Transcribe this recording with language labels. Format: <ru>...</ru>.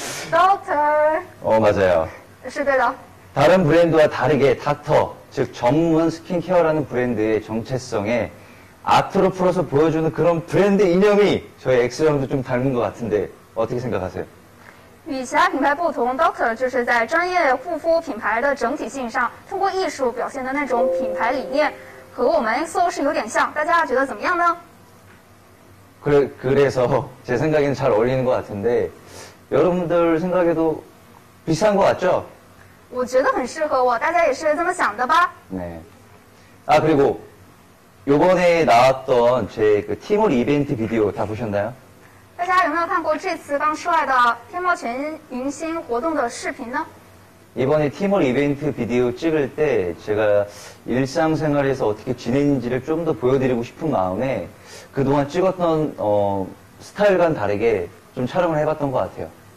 <en>Doctor.</en> <ko>맞아요.</ko> <zh>是对的.</zh> <ko>다른 브랜드와 다르게 닥터, 즉 전문 스킨케어라는 브랜드의 정체성에 아트로 풀어서 보여주는 그런 브랜드 이념이 저희 엑스랑도 좀 닮은 것 같은데 어떻게 생각하세요?</ko> <zh>与其他品牌不同 Doctor 就是在专业护肤品牌的整体性上通过艺术表现的那种品牌理念和我们 XO 是有点像大家觉得怎么样呢?</zh> <ko>그래서 제 생각에는 잘 어울리는 것 같은데 여러분들 생각에도 비슷한 것 같죠?</ko> <zh>我觉得很适合我大家也是这么想的吧?</zh> <ko>네. 아 그리고 요번에 나왔던 제 그 티몰 이벤트 비디오 다 보셨나요?</ko> <zh>大家有没有看过这次刚出来的天猫全明星活动的视频呢?</zh> <ko>이번에 티몰 이벤트 비디오 찍을 때 제가 일상생활에서 어떻게 지내는지를 좀 더 보여드리고 싶은 마음에 그동안 찍었던 스타일과는 다르게 좀 촬영을 해봤던 것 같아요.</ko>